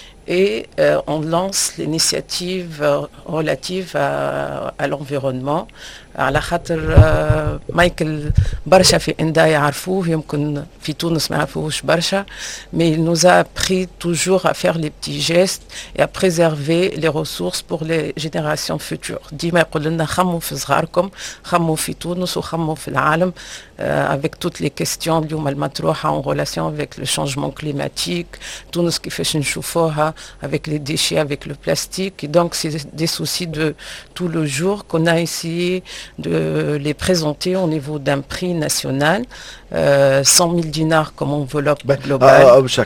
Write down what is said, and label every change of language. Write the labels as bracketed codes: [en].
[fr] Et on lance l'initiative relative à l'environnement. [ar] على خاطر مايكل برشا في اندا يعرفوه، يمكن في تونس ما يعرفوهش برشا، [fr] مي il nous a appris toujours à faire les petits gestes et à préserver les ressources pour les générations futures. [ar] ديما يقول لنا خموا في صغاركم، خموا في تونس وخموا في العالم. [fr] Avec toutes les questions [ar] اليوم المطروحه [fr] en relation avec le changement climatique, [ar] تونس كيفاش نشوفوها، [fr] avec les déchets, avec le plastique. Et donc c'est des soucis de tout le jour qu'on a essayé de les présenter au niveau d'un prix national, 100 000 dinars comme enveloppe globale.